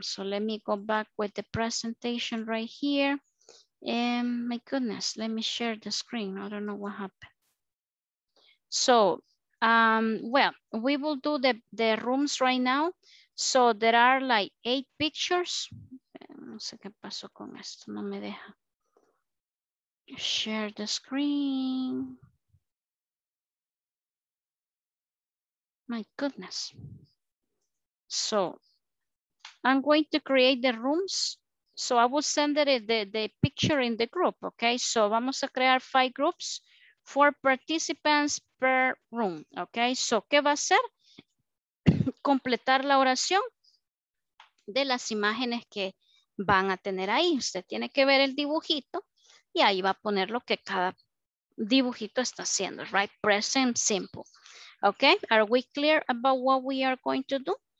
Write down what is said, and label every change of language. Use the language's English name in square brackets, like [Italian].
[English] So let me go back with the presentation right here. My goodness, let me share the screen. I don't know what happened. So, well, we will do the rooms right now. So there are like 8 pictures. [Spanish] No sé qué pasó con esto, no me deja. [English] Share the screen. My goodness. So, I'm going to create the rooms. So I will send the picture in the group, okay? [Spanish] So vamos a crear 5 [English] groups, 4 participants per room, [Spanish] okay? So, ¿qué va a hacer? Completar la oración de las imágenes que van a tener ahí. Usted tiene que ver el dibujito y ahí va a poner lo que cada dibujito está haciendo. [English] Right, present simple. Okay, are we clear about what we are going to do?